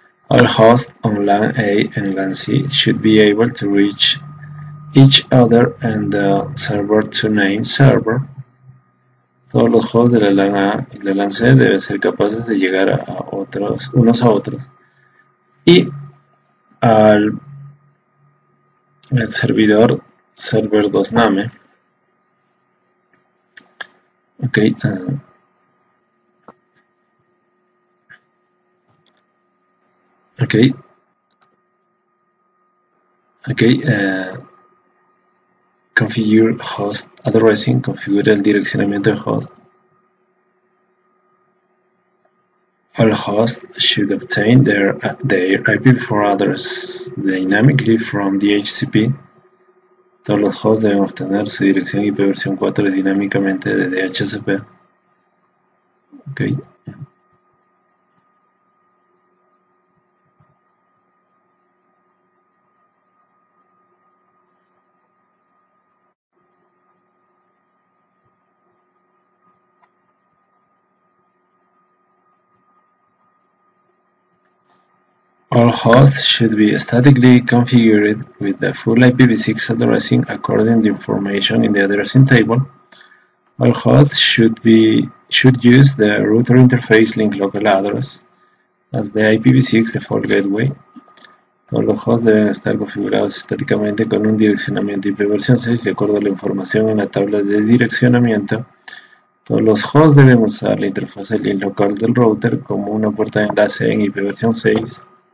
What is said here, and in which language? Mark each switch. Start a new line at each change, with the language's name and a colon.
English: All hosts on LAN A and LAN C should be able to reach each other and the server to name server.
Spanish: Todos los hosts de la LAN A y la LAN C deben ser capaces de llegar a otros, unos a otros. Y al el servidor server 2 name. Ok. Okay. Okay.
English: Configure host addressing.
Spanish: Configure el direccionamiento de host.
English: All hosts should obtain their IPv4 address dynamically from DHCP.
Spanish: Todos los hosts deben obtener su dirección IPv4 dinámicamente de DHCP. Okay.
English: All hosts should be statically configured with the full IPv6 addressing according to the information in the addressing table. All hosts should use the router interface link local address as the IPv6 default gateway.
Spanish: Todos los hosts deben estar configurados estáticamente con un direccionamiento IPv6 de acuerdo a la información en la tabla de direccionamiento. Todos los hosts deben usar la interfaz link local del router como una puerta de enlace en IPv6.